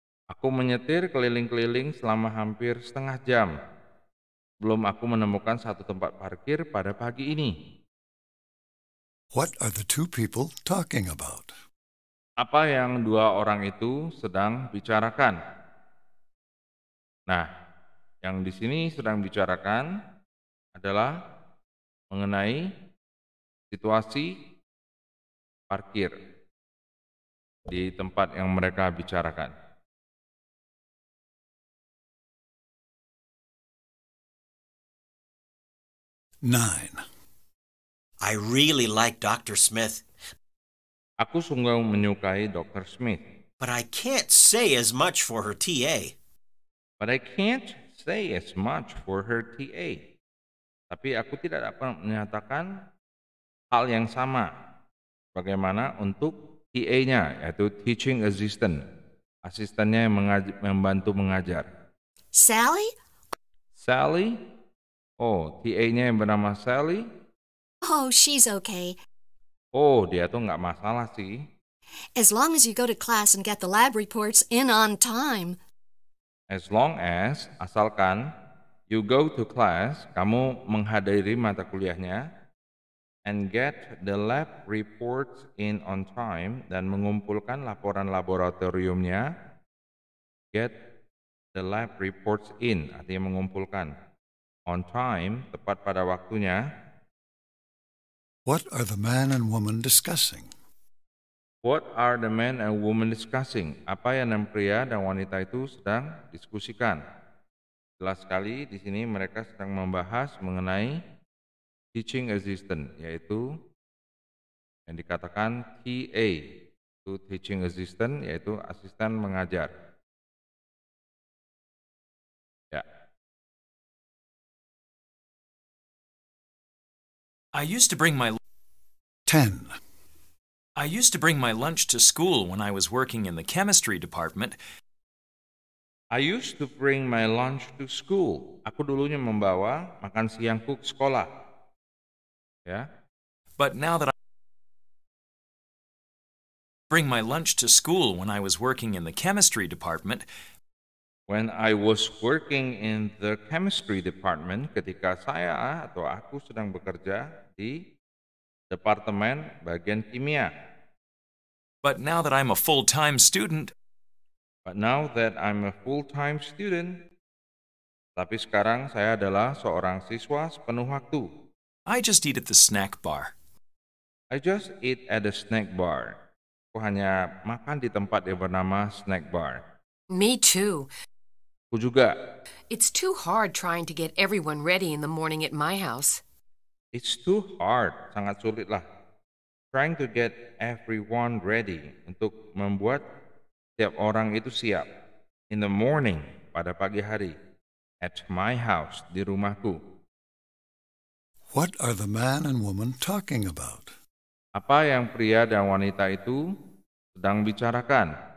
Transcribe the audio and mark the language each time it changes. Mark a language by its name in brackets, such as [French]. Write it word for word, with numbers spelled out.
[Indonesian] Aku menyetir keliling-keliling selama hampir setengah jam. Belum aku menemukan satu tempat parkir pada pagi ini. [English] What are the two people talking about? [Indonesian] Apa yang dua orang itu sedang bicarakan? Nah, yang di sini sedang bicarakan adalah mengenai situasi parkir di tempat yang mereka bicarakan. [English] Nine. I really like Doctor Smith. [Indonesian] Aku sungguh menyukai Doctor Smith. [English] But I can't say as much for her T A. But I can't say as much for her T A. [Indonesian] Tapi aku tidak dapat menyatakan hal yang sama bagaimana untuk T A-nya, yaitu Teaching Assistant. Asistennya yang mengaj- membantu mengajar. Sally? Sally? Oh, T A-nya yang bernama Sally. [English] Oh, she's okay. [Indonesian] Oh, dia tuh nggak masalah sih. [English] As long as you go to class and get the lab reports in on time. As long as, [Indonesian] asalkan, [English] you go to class, [Indonesian] kamu menghadiri mata kuliahnya, [English] and get the lab reports in on time, [Indonesian] dan mengumpulkan laporan laboratoriumnya, [English] get the lab reports in, [Indonesian] artinya mengumpulkan. [English] On time, [Indonesian] tepat pada waktunya. [English] What are the man and woman discussing? What are the man and woman discussing? [Indonesian] Apa yang enam pria dan wanita itu sedang diskusikan? Jelas sekali di sini mereka sedang membahas mengenai teaching assistant, yaitu yang dikatakan T A, itu teaching assistant, yaitu asisten mengajar. Ya. [English] I used to bring my ten. I used to bring my lunch to school when I was working in the chemistry department. I used to bring my lunch to school. [Indonesian] Aku dulunya membawa makan siangku ke sekolah. Ya. [English] But now that I bring my lunch to school when I was working in the chemistry department. When I was working in the chemistry department, [Indonesian] ketika saya atau aku sedang bekerja di departemen bagian kimia. [English] But now that I'm a full-time student, But now that I'm a full-time student, [Indonesian] tapi sekarang saya adalah seorang siswa sepenuh waktu. [English] I just eat at the snack bar. I just eat at the snack bar. [Indonesian] Aku hanya makan di tempat yang bernama snack bar. [English] Me too. [Indonesian] Aku juga. [English] It's too hard trying to get everyone ready in the morning at my house. It's too hard. [Indonesian] Sangat sulit lah. [English] Trying to get everyone ready. [Indonesian] Untuk membuat setiap orang itu siap. [English] In the morning. [Indonesian] Pada pagi hari. [English] At my house. [Indonesian] Di rumahku. [English] What are the man and woman talking about? [Indonesian] Apa yang pria dan wanita itu sedang bicarakan?